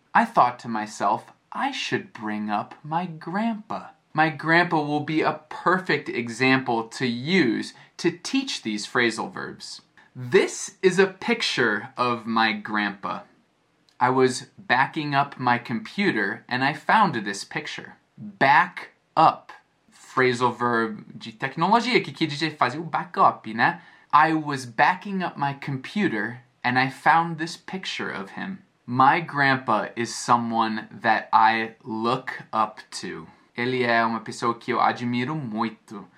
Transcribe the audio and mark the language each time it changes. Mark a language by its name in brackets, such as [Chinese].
[English] I thought to myself, I should bring up my grandpa. My grandpa will be a perfect example to use to teach these phrasal verbs. This is a picture of my grandpa. I was backing up my computer and I found this picture. Back up. [Portuguese] Phrasal verb de tecnologia que quer dizer fazer o backup, né? [English] I was backing up my computer and I found this picture of him. My grandpa is someone that I look up to. [Portuguese] Ele é uma pessoa que eu admiro muito.